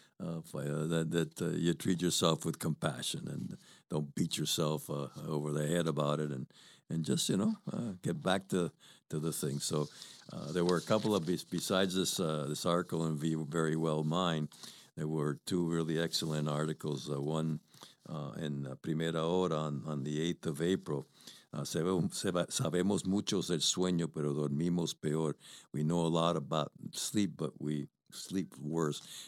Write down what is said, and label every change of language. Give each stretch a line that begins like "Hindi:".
English: You treat yourself with compassion and don't beat yourself over the head about it, and just get back to the thing. So there were a couple of besides this this article in Very Well Mind, there were two really excellent articles. One in Primera Hora on the 8th of April.
Spanish: Sabemos muchos del sueño, pero dormimos peor.
English: We know a lot about sleep, but we sleep worse.